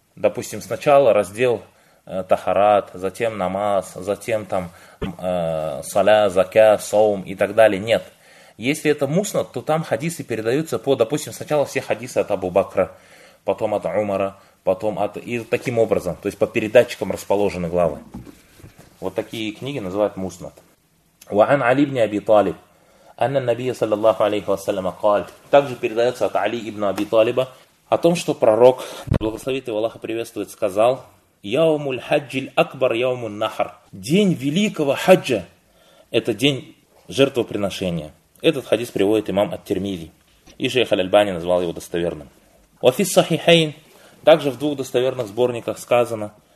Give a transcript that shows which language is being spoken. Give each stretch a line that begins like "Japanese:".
Russian: Допустим, сначала раздел тахарат, затем намаз, затем там саля, закя, соум и так далее. Нет. Если это муснад, то там хадисы передаются по, допустим, сначала все хадисы от Абу Бакра, потом от Умара, потом от... И таким образом, то есть по передатчикам расположены главы. Вот такие книги называют муснад.
Arabic: وَعَنْ عَلِي بْنِ أَبِي طَالِبْ أَنَّ النَّبِيَّ صَلَّى اللَّهُ عَلَيْهُ وَسَلَّمَ قَالْ.
Russian: Также передается от Али ибн Аби Талиба, о том, что пророк, благословит его Аллаха приветствует, сказал:
Arabic: «Яумуль хаджиль акбар яумун нахар».
Russian: День великого хаджа – это день жертвоприношения. Этот хадис приводит имам ат-Тирмизи. И шейх аль-Альбани назвал его достоверным.
Arabic: «Вафис сахихейн»
Russian: – также в двух достоверных сборниках сказано.